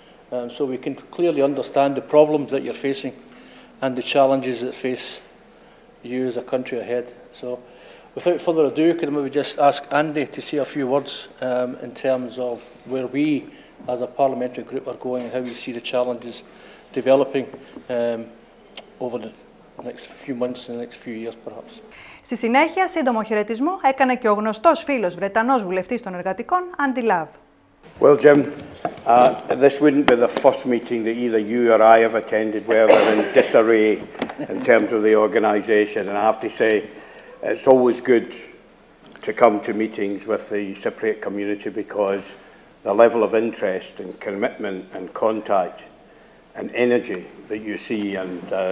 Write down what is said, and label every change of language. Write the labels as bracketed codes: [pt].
[en] So we can clearly understand the problems that you're facing and the challenges that face you as a country ahead. So, without further ado, could I maybe just ask Andy to say a few words in terms of where we as a parliamentary group are going and how we see the challenges developing over the next few months and the next few years perhaps. [el] Στη συνέχεια, σύντομο χαιρετισμό έκανε και ο γνωστός φίλος Βρετανός βουλευτής των εργατικών, Andy Love. [en] Well, Jim, this wouldn't be the first meeting that either you or I have attended where we're in disarray in terms of the organisation, and I have to say, it's always good to come to meetings with the Cypriot community because the level of interest and commitment and contact and energy that you see, and